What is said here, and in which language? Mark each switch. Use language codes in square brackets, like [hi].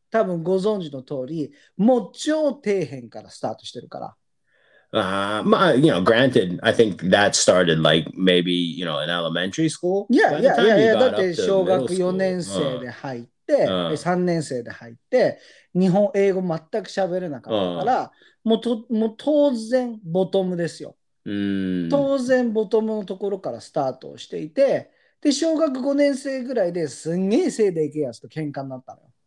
[ja] 多分ご存知の通り、もう超底辺からスタートしてるから。 [en] まあ、you know, granted, I think that started like maybe, you know, in elementary school. Yeah. [ja] だって小学4年生で入って、3年生で入って、日本英語全く喋れなかったから、もう当然ボトムですよ。当然ボトムのところからスタートしていて、で、小学5年生ぐらいですんげえ背でいけやつと喧嘩になったのよ。